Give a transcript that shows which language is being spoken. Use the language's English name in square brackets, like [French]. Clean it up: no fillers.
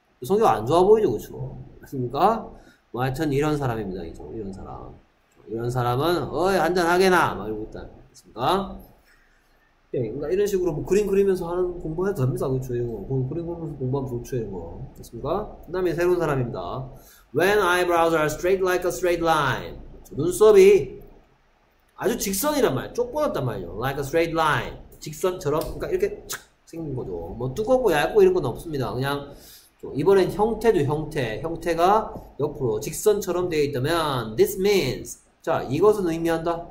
[Korean] 성격 안 좋아 보이죠, 그쵸? 맞습니까? 뭐, 하여튼, 이런 사람입니다, 이죠 이런 사람. 이런 사람은, 어이, 한잔하게나! 막 이러고 있다. 맞습니까? 예, 그러니까 이런 식으로 뭐 그림 그리면서 하는 공부해도 됩니다, 그쵸? 이거. 그림 그리면서 공부하면 좋죠, 이거. 맞습니까? 그 다음에 새로운 사람입니다. [English] When eyebrows are straight like a straight line. [Korean] 눈썹이 아주 직선이란 말이에요. 쪽보였단 말이에요. [English] Like a straight line. [Korean] 직선처럼. 그러니까 이렇게 착! 생긴 거죠. 뭐 두껍고 얇고 이런 건 없습니다. 그냥 이번엔 형태도 형태. 형태가 옆으로 직선처럼 되어 있다면 this means 자 이것은 의미한다.